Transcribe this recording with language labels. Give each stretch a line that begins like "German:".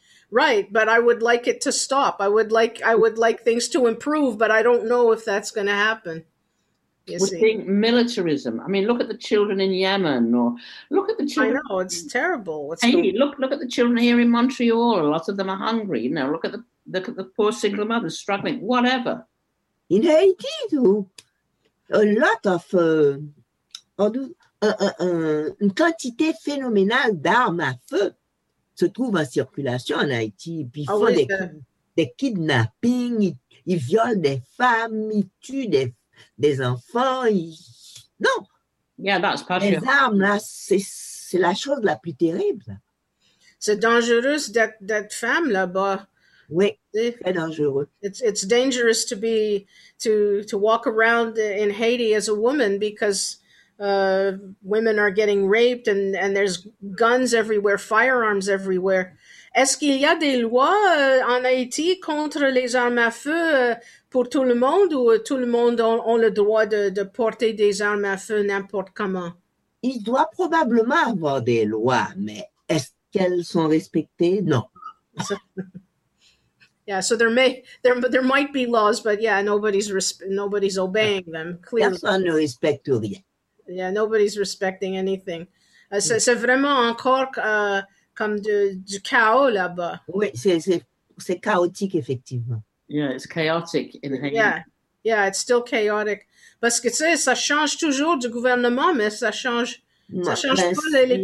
English: Right, but I would like it to stop. I would like things to improve, but I don't know if that's going to happen. Seeing militarism. I mean, look at the children in Yemen, or look at the children. I know, it's terrible. Look at the children here in Montreal. A lot of them are hungry. You know, look at the poor single mothers struggling. Whatever. In Haiti, too, a lot of
French: une quantité phénoménale d'armes à feu se trouve en circulation en Haïti. Puis ils font des kidnappings, ils violent des femmes, ils tuent des enfants. Non!
English: Yeah, that's patriarchy.
French: Les armes, là, c'est la chose la plus terrible. C'est dangereux d'être femme là-bas. Oui, très dangereux.
English: It's dangerous to be to walk around in Haiti as a woman because women are getting raped and there's guns everywhere, firearms everywhere.
French: Est-ce qu'il y a des lois en Haïti contre les armes à feu pour tout le monde, ou tout le monde a le droit de porter des armes à feu n'importe comment? Il doit probablement avoir des lois, mais est-ce qu'elles sont respectées? Non.
English: Yeah, so there might be laws, but yeah, nobody's obeying them. Clearly.
French: Personne ne respecte rien.
English: Yeah, nobody's respecting anything.
French: C'est vraiment encore comme du chaos là-bas. Oui, c'est chaotique, effectivement.
English: Yeah, it's chaotic in Haiti. Yeah, it's still chaotic.
French: Parce que, tu sais, ça change toujours du gouvernement, mais ça change pas les